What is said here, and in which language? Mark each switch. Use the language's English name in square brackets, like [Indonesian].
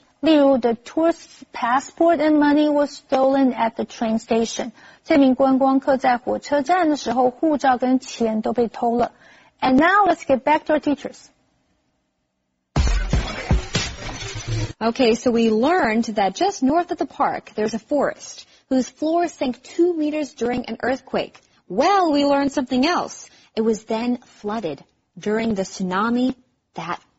[Chinese] 例如 [English] ,the tourist's passport and money was stolen at the train station. [Chinese] 这名观光客在火车站的时候,护照跟钱都被偷了。 [English] And now let's get back to our teachers. Okay, so we learned that just north of the park, there's a forest whose floor sank 2 meters during an earthquake. Well, we learned something else. It was then flooded during the tsunami that